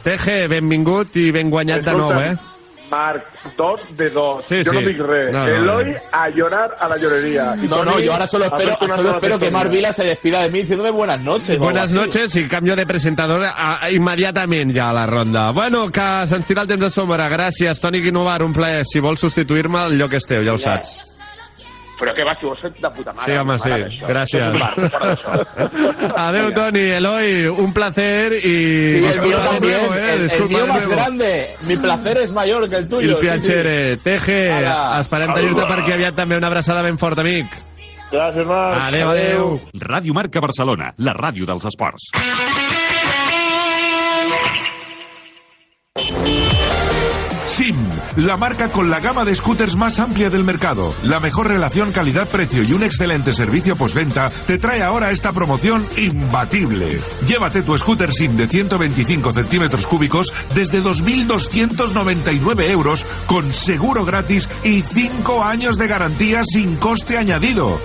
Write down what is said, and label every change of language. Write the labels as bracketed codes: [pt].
[ca] Teje, benvingut i ben guanyat de nou, eh. Marc, 2-2. Sí, yo no dic res. No, Eloy, a llorar a la llorería. [es] Yo ahora solo espero que Marc Vila se despida de mí diciéndome buenas noches. Buenas noches y cambio de presentador inmediatament ja a la ronda. [ca] Bueno, que se'ns tira el temps de sombra. Gràcies, Toni Guinovar, un plaer. Si vols substituir-me, el lloc és teu, ja ho saps. Però què va, si vols ser de puta mare. Sí, home, sí. Gràcies. Adéu, Toni. Eloy, un placer i... [es] Sí, el mío també. El mío más grande. Mi placer es mayor que el tuyo. [it] Il piacere. [ca] Teje, esperem tenir-te per aquí aviat també. Una abraçada ben forta, amic. Gràcies, Marc. Adéu, adéu. Ràdio Marca Barcelona, la ràdio dels esports. [es] SIM, la marca con la gama de scooters más amplia del mercado. La mejor relación calidad-precio y un excelente servicio postventa te trae ahora esta promoción imbatible. Llévate tu scooter SIM de 125 centímetros cúbicos desde 2.299€ con seguro gratis y 5 años de garantía sin coste añadido.